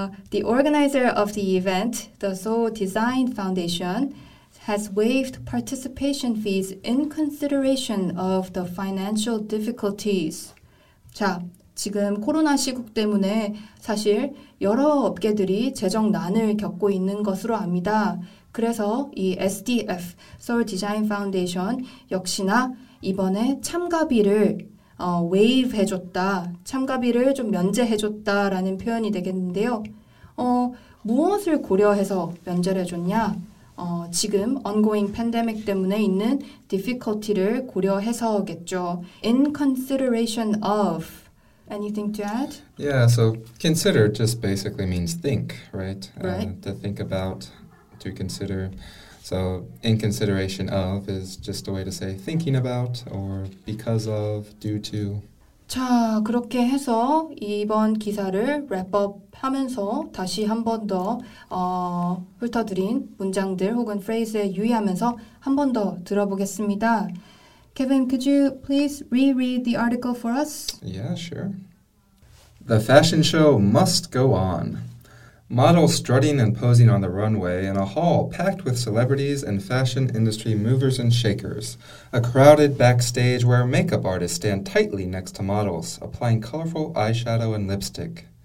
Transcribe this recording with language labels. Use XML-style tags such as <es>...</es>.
<en>The organizer of the event, the Seoul Design Foundation, has waived participation fees in consideration of the financial difficulties.</en> <ko>자, 지금 코로나 시국 때문에 사실 여러 업계들이 재정난을 겪고 있는 것으로 압니다. 그래서 이 SDF, Seoul Design Foundation, 역시나 이번에 참가비를 waive 해줬다, 참가비를 좀 면제해줬다라는 표현이 되겠는데요. 무엇을 고려해서 면제를 해줬냐? 지금</ko> <en>ongoing pandemic</en> <ko>때문에 있는 difficulty를 고려해서겠죠.</ko> <en>In consideration of, anything to add? Yeah, so consider just basically means think, right? Right. To think about, to consider. So in consideration of is just a way to say thinking about or because of, due to.</en> <ko>자, 그렇게 해서 이번 기사를 랩업 하면서 다시 한 번 더 훑어드린 문장들 혹은 phrase에 유의하면서 한 번 더 들어보겠습니다.</ko> <en>Kevin, could you please reread the article for us? Yeah, sure. The fashion show must go on. Models strutting and posing on the runway in a hall packed with celebrities and fashion industry movers and shakers. A crowded backstage where makeup artists stand tightly next to models, applying colorful eyeshadow and lipstick.</en>